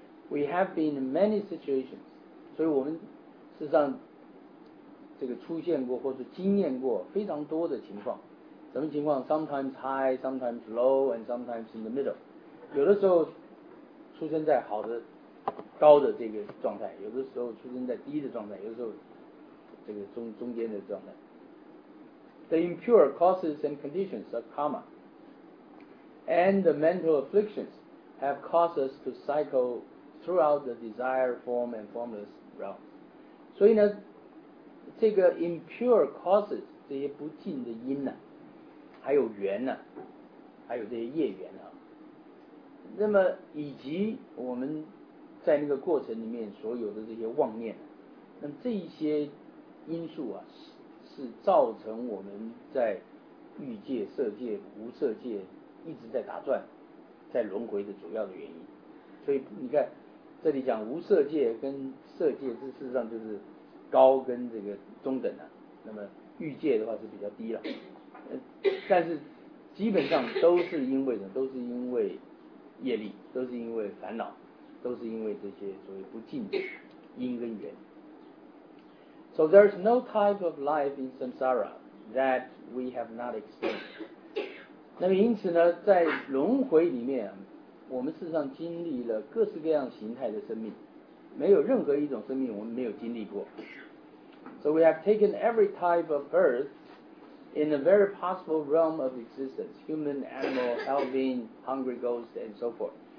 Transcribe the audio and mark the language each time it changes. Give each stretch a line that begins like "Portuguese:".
English: We have been in many situations.
Chinese: 所以我们事实上这个出现过或是经验过非常多的情况。什么情况？
English: Sometimes high, sometimes low, and sometimes in the middle.
Chinese: 有的时候出生在好的高的这个状态，有的时候出生在低的状态，有的时候这个中间的状态。
English: The impure causes and conditions of karma and the mental afflictions have caused us to cycleThroughout the desire form and formless realm.
Chinese: 所以呢，这个
English: impure causes
Chinese: 这些不净的因呢、啊，还有缘呢、啊，还有这些业缘啊。那么以及我们在那个过程里面所有的这些妄念，那么这一些因素啊，是造成我们在欲界、色界、无色界一直在打转、在轮回的主要的原因。所以你看。这里讲无色界跟色界，这事实上就是高跟这个中等啊。那么欲界的话是比较低了，但是基本上都是因为什么？都是因为业力，都是因为烦恼，都是因为这些所谓不净的因跟缘。
English: So there's no type of life in samsara that we have not experienced.
Chinese: 那么因此呢，在轮回里面。我们事实上经历了各式各样形态的生命，没有任何一种生命我们没有经历过。
English: So we have taken every type of birth in a very possible realm of existence, human, animal, elving, hungry ghost, and so forth.